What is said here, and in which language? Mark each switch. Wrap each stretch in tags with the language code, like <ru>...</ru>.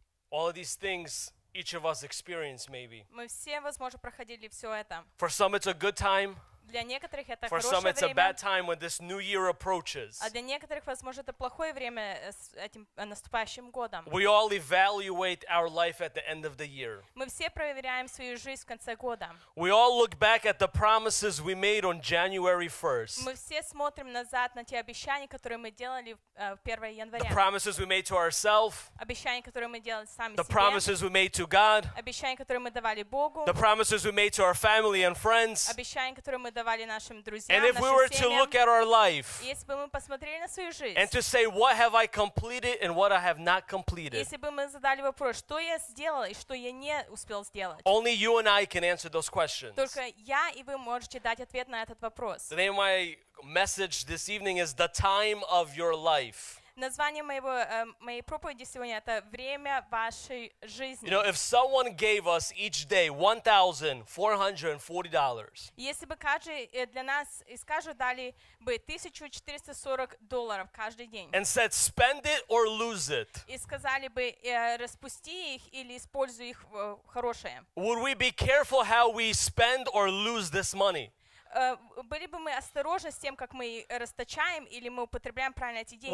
<en>All of these things each of us experience maybe.</en> <ru>Мы все, возможно, проходили все это.</ru> <en>For some it's a good time.</en> <ru>Для некоторых это хорошее время.</ru> <en>For some it's a bad time when this new year approaches.</en> <ru>А для некоторых, возможно, это плохое время с этим наступающим годом.</ru> <en>We all evaluate our life at the end of the year.</en> <ru>Мы все проверяем свою жизнь в конце года.</ru> <en>We all look back at the promises we made on January 1st.</en> <ru>Мы все смотрим назад на те обещания, которые мы делали в 1 января.</ru> <en>The promises we made to ourselves.</en> <ru>Обещания, которые мы делали сами себе.</ru> <en>The promises we made to God.</en> <ru>Обещания, которые мы давали Богу.</ru> <en>The promises we made to our family and friends.</en> <ru>Обещания, которые мы давали нашим друзьям,</ru> <en>and if we were</en> <ru>семьям,</ru> <en>to look at our life,</en> <ru>если бы мы посмотрели на свою жизнь,</ru> <en>and to say what have I completed and what I have not completed,</en> <ru>если бы мы задали вопрос, что я сделал и что я не успел сделать,</ru> <en>only you and I can answer those questions.</en> <ru>Только я и вы можете дать ответ на этот вопрос.</ru> <en>The name of my message this evening is the time of your life.</en> <ru>Название моего моей проповеди сегодня это время вашей жизни.</ru> <en>You know, if someone gave us each day $1,440.</en> <ru>Если бы каждый для нас из каждого дали бы $1,440 каждый день.</ru> <en>And said, spend it or lose it.</en> <ru>И сказали бы распусти их или используй их хорошее.</ru> <en>Would we be careful how we spend or lose this money?</en> <ru>Были бы мы осторожны с тем, как мы расточаем или мы употребляем правильно эти деньги?</ru>